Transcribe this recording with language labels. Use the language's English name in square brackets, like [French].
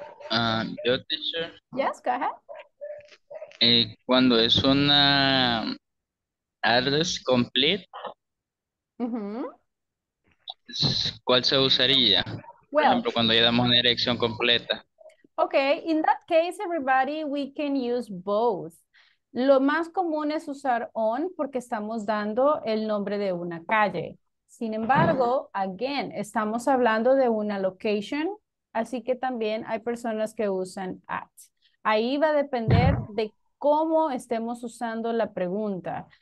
[English] Yo, teacher. Yes, go ahead. [Spanish] Cuando es una [English] address complete. Mm-hmm. [Spanish] ¿Cuál se usaría? [English] Well, [Spanish] por ejemplo, cuando ya damos una dirección completa. [English] Okay, in that case, everybody, we can use both. [Spanish] Lo más común es usar on porque estamos dando el nombre de una calle. Sin embargo, again, estamos hablando de una location, así que también hay personas que usan at. Ahí va a depender de cómo estemos usando la pregunta.